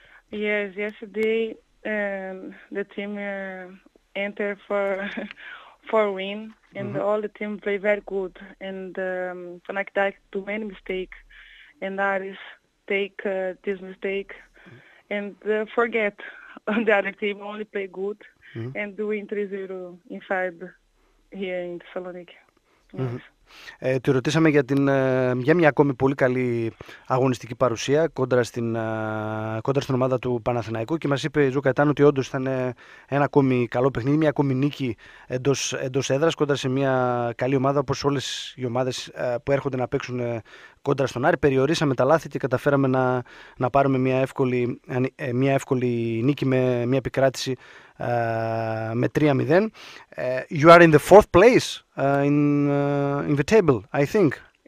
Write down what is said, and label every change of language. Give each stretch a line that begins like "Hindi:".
English: Yes, yesterday the team entered for win, and mm-hmm. all the team play very good, and Panathinaikos do many mistake, and Aris take this mistake and forget the other team only play good mm-hmm. and do win 3-0 inside here in Thessaloniki. Yes. Mm-hmm.
Greek: Τη ρωτήσαμε για μια ακόμη πολύ καλή αγωνιστική παρουσία κόντρα στην ομάδα του Παναθηναϊκού, και μας είπε η Τζου Καετάνο ότι όντως ήταν ένα ακόμη καλό παιχνίδι, μια ακόμη νίκη εντός έδρας κόντρα σε μια καλή ομάδα, όπως όλες οι ομάδες που έρχονται να παίξουν κόντρα στον Άρη. Περιορίσαμε τα λάθη και καταφέραμε να πάρουμε μια εύκολη νίκη με μια επικράτηση με 3-0.
English: You are in the fourth place in the table, I think.